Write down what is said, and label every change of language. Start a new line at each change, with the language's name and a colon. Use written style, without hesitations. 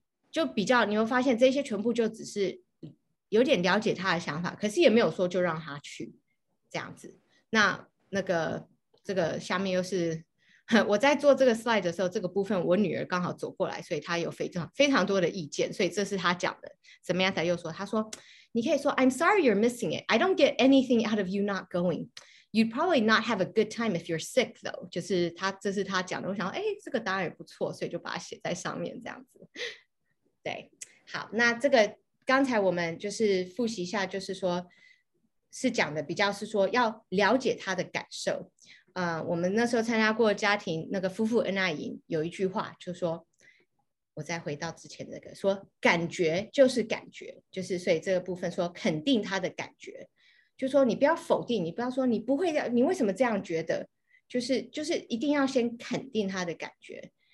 Chinese: 就比较你会发现这些全部就只是有点了解他的想法，可是也没有说就让他去这样子。那那个这个下面又是我在做这个 slide 的时候，这个部分我女儿刚好走过来，所以她有非常多的意见，所以这是她讲的。
English: Samantha
Chinese: 又说，她说你可以说
English: I'm sorry you're missing it, I don't get anything out of you not going, you'd probably not have a good time if you're sick though.
Chinese: 就是她，这是她讲的，我想哎，这个答案也不错，所以就把它写在上面这样子。对，好，那这个刚才我们就是复习一下，就是说是讲的比较是说要了解他的感受。我们那时候参加过家庭那个夫妇恩爱营，有一句话就说，我再回到之前那个说，感觉就是感觉，就是所以这个部分说肯定他的感觉，就说你不要否定，你不要说你不会，你为什么这样觉得，就是一定要先肯定他的感觉。